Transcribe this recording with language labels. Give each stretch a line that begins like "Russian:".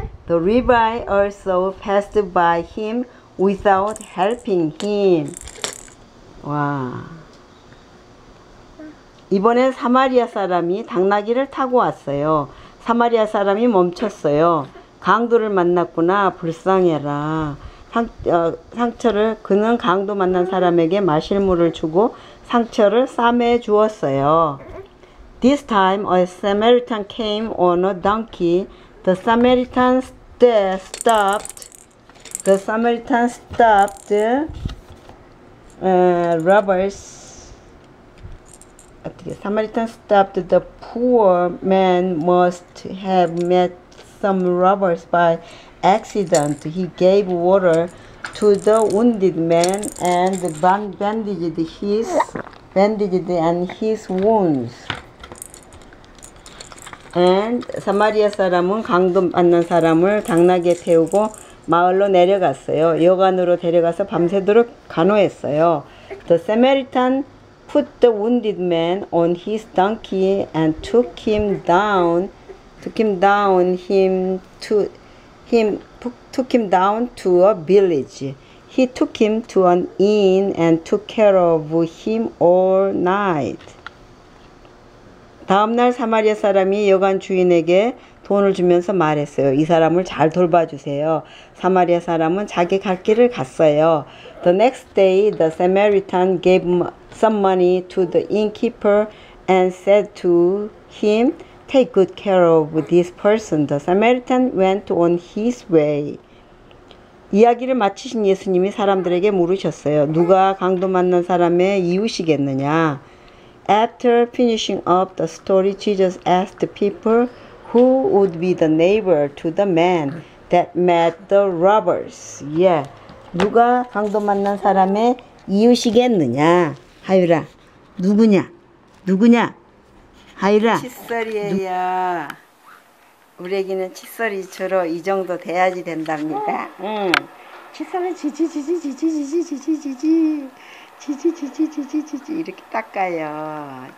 English: The rabbi also passed by him without helping him.
Korean: 와. 이번에 사마리아 사람이 당나귀를 타고 왔어요. 사마리아 사람이 멈췄어요. 강도를 만났구나. 불쌍해라. 상처를 그는 강도 만난 사람에게 마실 물을 주고 상처를 싸매 주었어요.
English: This time a Samaritan came on a donkey. The Samaritan stopped. The Samaritan stopped robbers.
Korean: 어떻게?
English: Samaritan stopped the poor man must have met some robbers by accident. He gave water to the wounded man and bandaged his wounds.
Korean: And 사마리아 사람은 강도 만난 사람을 당나귀에 태우고 마을로 내려갔어요. 여관으로 데려가서 밤새도록 간호했어요.
English: The Samaritan put the wounded man on his donkey and took him down to a village. He took him to an inn and took care of him all night.
Korean: 다음날 사마리아 사람이 여관 주인에게 돈을 주면서 말했어요. 이 사람을 잘 돌봐주세요. 사마리아 사람은 자기 갈 길을 갔어요.
English: The next day, the Samaritan gave some money to the innkeeper and said to him, Take good care of this person. The Samaritan went on his way.
Korean: 이야기를 마치신 예수님이 사람들에게 물으셨어요. 누가 강도 만난 사람의 이웃이겠느냐?
English: After finishing up the story, Jesus asked the people who would be the neighbor to the man that met the robbers. Yeah.
Korean: 누가 강도 만난 사람의 이웃이겠느냐? 하유라, 누구냐? 누구냐? 하유라. 칫솔이에요. 우리에게는 칫솔이 주로 이 정도 돼야지 된답니다. 응. 칫솔은 지지지지지지지지지지지지. 지지지지지지지지 이렇게 닦아요.